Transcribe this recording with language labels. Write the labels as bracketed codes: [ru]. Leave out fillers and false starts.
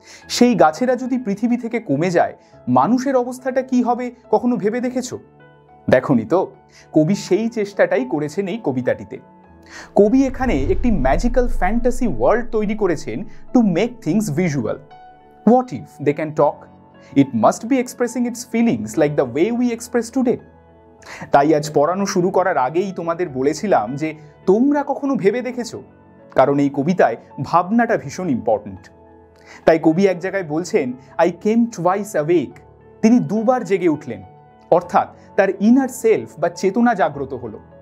[bn] সেই গাছেরা যদি পৃথিবী থেকে কমে যায় মানুষের অবস্থাটা কি হবে কখনো ভেবে দেখেছ? দেখনি তো, কবি সেই চেষ্টাটাই করেছেন এই কবিতাটিতে। কবি এখানে একটি ম্যাজিক্যাল ফ্যান্টাসি ওয়ার্ল্ড তৈরি করেছেন [en] To make things visual. What if they can talk? It must be expressing its feelings like the way we express today. [bn] তাই আজ পড়ানো শুরু করার আগেই তোমাদের বলেছিলাম যে তোমরা কখনো ভেবে দেখেছো, কারণ এই কবিতায় ভাবনাটা ভীষণ ইম্পর্টেন্ট। তাই কবি এক জায়গায় বলছেন, [en] I came twice awake, [bn] তিনি দুবার জেগে উঠলেন, অর্থাৎ তার ইনার সেলফ বা চেতনা জাগ্রত হলো।